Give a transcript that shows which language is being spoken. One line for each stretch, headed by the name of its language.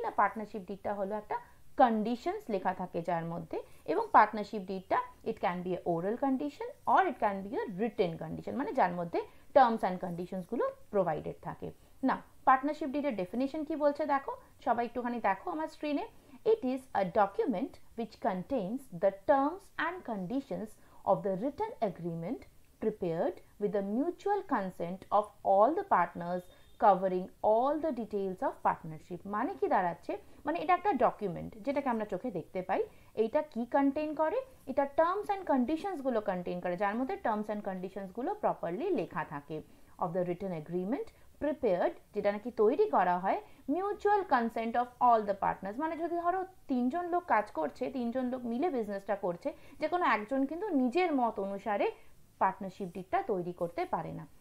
Bangla: না, পার্টনারশিপ ডিডটা হলো একটা কন্ডিশনস লেখা থাকে যার মধ্যে, এবং partnership ডিডটা
English: it can be a oral condition or it can be a written condition,
Bangla: মানে যার মধ্যে টার্মস অ্যান্ড কন্ডিশনসগুলো প্রোভাইডেড থাকে। না, পার্টনারশিপ ডিডের ডেফিনেশন কি বলছে দেখো, সবাই একটুখানি দেখো আমার স্ক্রিনে।
English: It is a document which contains the terms and conditions of the written agreement prepared with the mutual consent of all the partners covering all the details of partnership.
Bangla: মানে কি দাঁড়াচ্ছে, মানে এটা একটা ডকুমেন্ট যেটাকে আমরা চোখে দেখতে পাই। এইটা কি কন্টেইন করে, এটা টার্মস অ্যান্ড কন্ডিশনসগুলো কন্টেইন করে, যার মধ্যে টার্মস অ্যান্ড কন্ডিশনসগুলো প্রপারলি লেখা থাকে।
English: of the written agreement prepared,
Bangla: যেটা নাকি তৈরি করা হয়
English: mutual consent of all the partners,
Bangla: মানে যদি ধরো তিনজন লোক কাজ করছে, তিনজন লোক মিলে বিজনেসটা করছে, যে কোনো একজন কিন্তু নিজের মত অনুসারে পার্টনারশিপ ডিডটা তৈরি করতে পারে না।